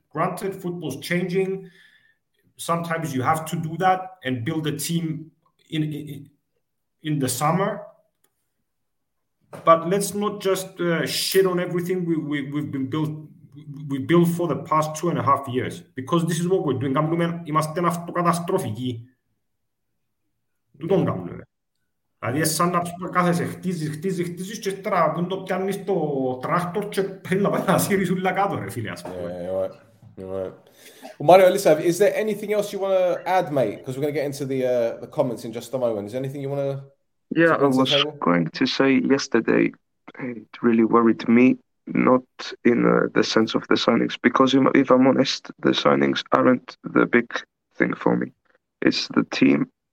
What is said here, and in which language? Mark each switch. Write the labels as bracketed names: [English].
[English] Granted, football's changing. Sometimes you have to do that and build a team in the summer. But let's not just shit on everything we've built for the past 2.5 years, because this is what we're doing. [Greek] Είμαστε αυτοκαταστροφικοί. Δεν τον κάνουμε. Δηλαδή, σαν να πούμε κάθε σε χτίζεις και τώρα δεν το πιάνεις το τράκτορ και πρέπει να πάει να σύρεις όλα κάτω, ρε φίλε. [English] Well, Mario, listen, is there anything else you want to add, mate? Because we're going to get into the comments in just a moment. Is there anything you want to... Yeah, I was going to say yesterday, it really worried me, not in the sense of the signings, because if I'm honest, the signings aren't the big thing for me. It's the team.